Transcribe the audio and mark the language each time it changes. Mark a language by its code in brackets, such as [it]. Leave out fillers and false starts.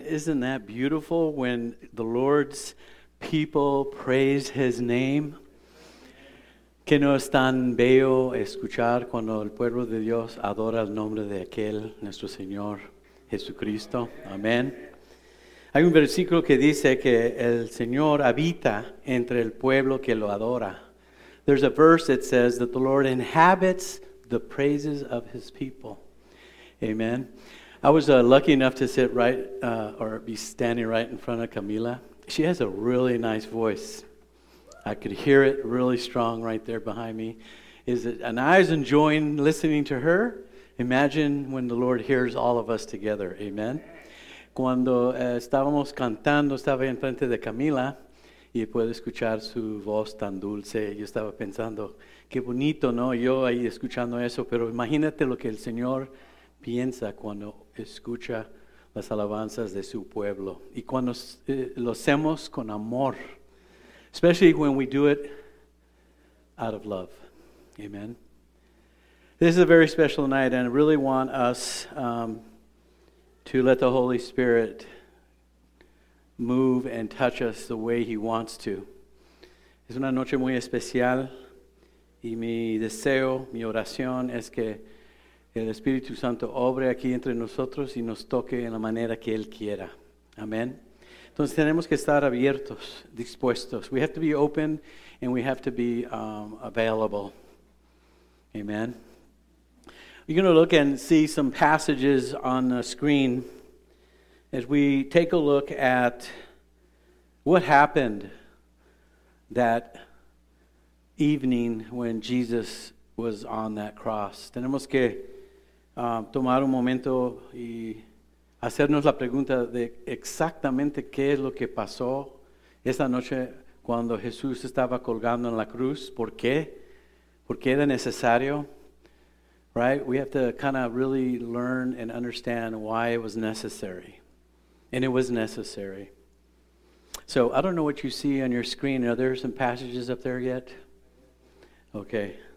[en] Isn't that beautiful when the Lord's people praise His name? [es] Que no es tan bello escuchar cuando el pueblo de Dios adora el nombre de aquel, nuestro Señor Jesucristo. Amén. Hay un versículo que dice que el Señor habita entre el pueblo que lo adora. [en] There's a verse that says that the Lord inhabits the praises of His people. Amen. I was lucky enough to sit right, or be standing right in front of Camila. She has a really nice voice. I could hear it really strong right there behind me. And I was enjoying listening to her. Imagine when the Lord hears all of us together. Amen. [es] Cuando estábamos cantando, estaba en frente de Camila, y puedo escuchar su voz tan dulce. Yo estaba pensando, qué bonito, ¿no? Yo ahí escuchando eso, pero imagínate lo que el Señor piensa cuando escucha las alabanzas de su pueblo. Y cuando lo hacemos con amor, [en] especially when we do it out of love. Amen. This is a very special night, and I really want us to let the Holy Spirit move and touch us the way He wants to. [es] Es una noche muy especial, y mi deseo, mi oración es que el Espíritu Santo obre aquí entre nosotros y nos toque en la manera que Él quiera. Amén. Entonces tenemos que estar abiertos, dispuestos. [en] We have to be open and we have to be available. Amén. You're going to look and see some passages on the screen as we take a look at what happened that evening when Jesus was on that cross. [es] Tenemos que tomar un momento y hacernos la pregunta de exactamente qué es lo que pasó esa noche cuando Jesús estaba colgando en la cruz. ¿Por qué? ¿Por qué era necesario? Right? [en] We have to kind of really learn and understand why it was necessary. And it was necessary. So, I don't know what you see on your screen. Are there some passages up there yet? Okay.